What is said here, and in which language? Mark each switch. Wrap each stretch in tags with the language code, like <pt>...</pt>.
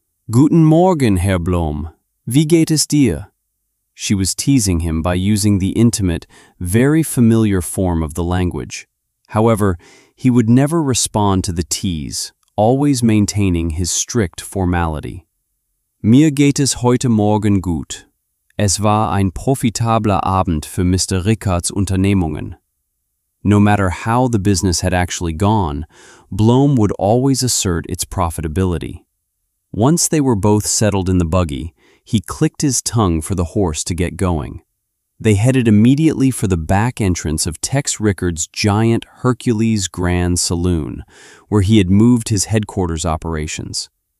<de>"Guten Morgen, Herr Blom. Wie geht es dir?"</de> <en>She was teasing him by using the intimate, very familiar form of the language. However, he would never respond to the tease, always maintaining his strict formality.</en> <de>"Mir geht es heute Morgen gut. Es war ein profitabler Abend für Mr. Rickards Unternehmungen."</de> <en>No matter how the business had actually gone, Blom would always assert its profitability. Once they were both settled in the buggy, he clicked his tongue for the horse to get going. They headed immediately for the back entrance of Tex Rickards' giant Hercules Grand Saloon, where he had moved his headquarters operations.</en>